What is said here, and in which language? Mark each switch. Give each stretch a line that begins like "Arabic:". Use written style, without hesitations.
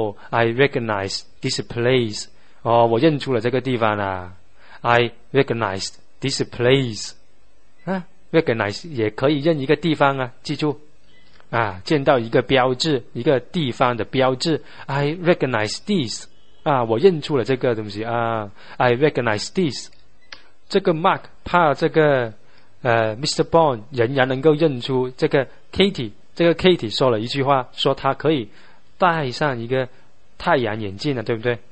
English: I recognize this place.
Chinese: 我认出了这个地方
English: I recognize this place.
Chinese: Recognize 也可以认一个地方记住见到一个标志，一个地方的标志。
English: I recognize this
Chinese: 我认出了这个东西
English: I recognize this。
Chinese: 这个 Mark 怕这个Mr. Bond 仍然能够认出这个 Katie， 这个 Katie 说了一句话，说他可以戴上一个太阳眼镜了，对不对？